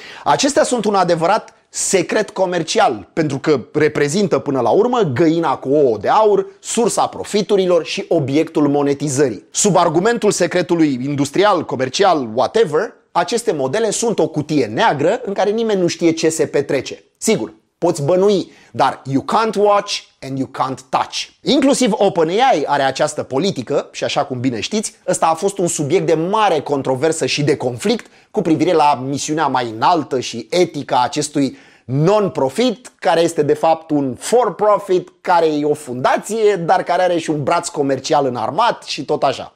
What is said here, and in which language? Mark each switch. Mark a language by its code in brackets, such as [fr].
[ro] Acestea sunt un adevărat secret comercial pentru că reprezintă până la urmă găina cu ouă de aur, sursa profiturilor și obiectul monetizării. Sub argumentul secretului industrial, comercial, whatever, aceste modele sunt o cutie neagră în care nimeni nu știe ce se petrece. Sigur. Poți bănui, dar [en] you can't watch and you can't touch. [ro] Inclusiv OpenAI are această politică și așa cum bine știți, ăsta a fost un subiect de mare controversă și de conflict cu privire la misiunea mai înaltă și etica acestui non-profit, care este de fapt un for-profit, care e o fundație, dar care are și un braț comercial înarmat și tot așa.